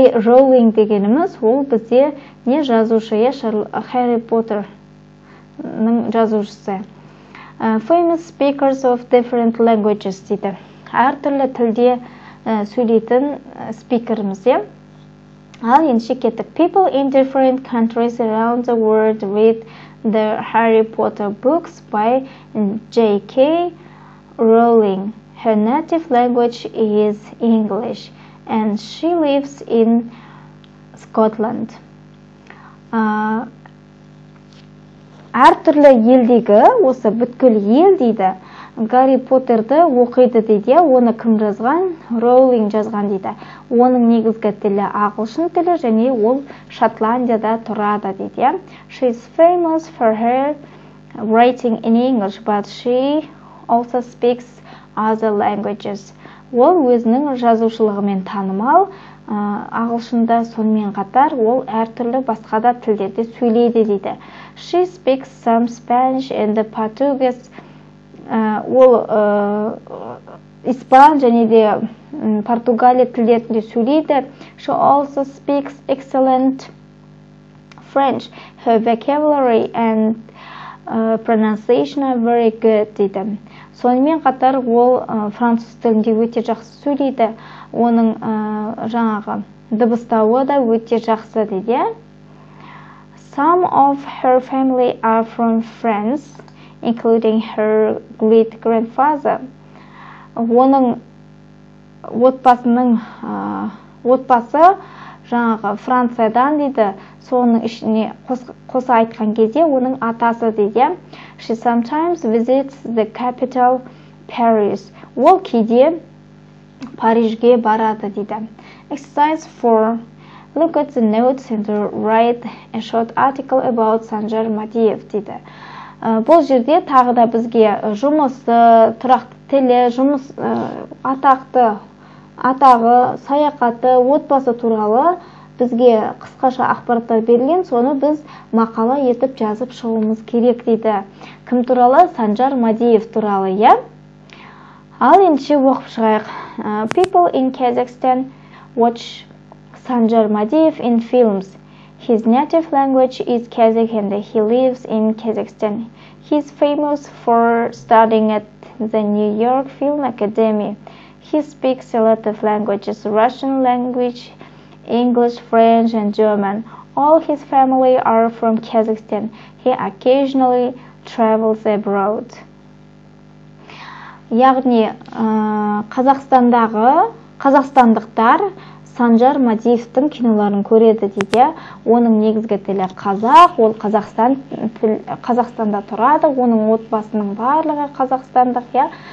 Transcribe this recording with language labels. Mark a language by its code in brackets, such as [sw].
[kk] Rowling дегеніміз, ол бізде не жазушы, иә, Harry Potter-ның жазушысы. [en] Famous speakers of different languages [kk] дейді. Әртүрлі тілде сөйлейтін спикеріміз, иә. Ал енші кеттік. [en] People in different countries around the world read the Harry Potter books by J.K. Rowling. Her native language is English and she lives in Scotland. [kk] Әртүрлі елдегі, осы бүткіл ел дейді, Гарри Поттерді оқиды дейді, оны кім жазған? Роулинг жазған дейді. Оның негізгі тілі ағылшын тілі және ол Шотландияда тұрады дейді. [en] She is famous for her writing in English, but she also speaks other languages. [kk] Ол өзінің жазушылығымен танымал, ағылшында сонымен қатар ол әртүрлі басқа да тілдерде сөйлейді дейді. [en] She speaks some Spanish and the Portuguese. [kk] Ол испан және де португалия тілдерінде сөйлейді. [en] She also speaks excellent French. Her vocabulary and pronunciation are very good, [kk] дейді. Сонымен қатар ол француз тілінде өте жақсы сөйлейді. Оның жаңағы дыбыстауы да өте жақсы, дейді. [en] Some of her family are from France, including her great grandfather. [kk] Оның отбасы жаңағы Франциядан, дейді. Соның ішіне қоса айтқан кезде оның атасы, дейді. [en] She sometimes visits the capital, Paris. [kk] Ол кейде Парижге барады, дейді. [en] Exercise 4. Look at the notes and write a short article about Sanjar Madiev, [kk] дейді. Бұл жерде тағы да бізге жұмысы, тұрақты тілі, жұмыс атақты, атағы, саяхаты, отбасы туралы бізге қысқаша ақпараттар берілген, соны біз мақала етіп жазып шығуымыз керек, дейді. Кім туралы? Санжар Мадиев туралы, иә? Ал енді оқып шығайық. [en] People in Kazakhstan watch Санжар Мадиев in films. His native language is Kazakh and he lives in Kazakhstan. He's famous for studying at the New York Film Academy. He speaks a lot of languages, Russian language, English, French and German. All his family are from Kazakhstan. He occasionally travels abroad. [kk] Яғни, Қазақстандағы қазақстандықтар Санжар Мадиевтің киноларын көреді, дейді. Оның негізгі тілі қазақ, ол Қазақстан Қазақстанда тұрады, оның отбасының барлығы қазақстандық, я.